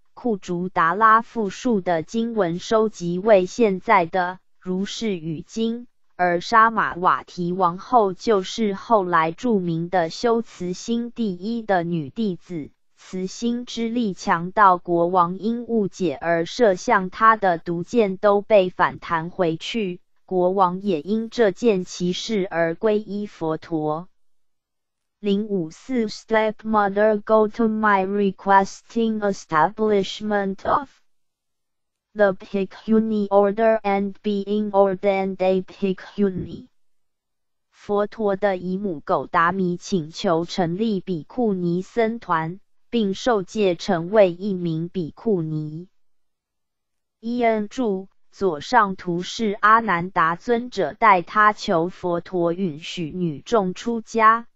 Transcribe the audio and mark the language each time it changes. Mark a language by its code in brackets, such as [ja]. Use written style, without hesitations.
[zh] 库竹达拉复述的经文收集为现在的如是语经，而沙玛瓦提王后就是后来著名的修慈心第一的女弟子。慈心之力强到国王因误解而射向他的毒箭都被反弹回去，国王也因这件奇事而皈依佛陀。 [en] 054 Stepmother go to my requesting establishment of the Bhikkhuni order and being ordained a Bhikkhuni。 [zh] 佛陀的姨母狗达米请求成立比库尼僧团，并受戒成为一名比库尼。伊恩著，左上图是阿难达尊者带他求佛陀允许女众出家。